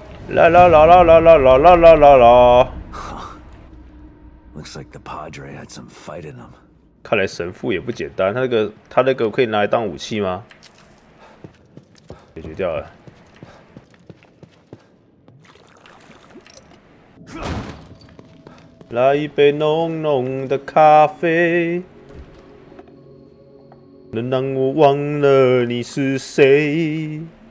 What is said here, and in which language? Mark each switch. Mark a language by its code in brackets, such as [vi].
[en] 啦啦啦啦啦啦啦啦啦啦啦。 Looks like the Padre had some fight in him。 [zh] 看来神父也不简单，他那个可以拿来当武器吗？解决掉了。来一杯浓浓的咖啡，能让我忘了你是谁。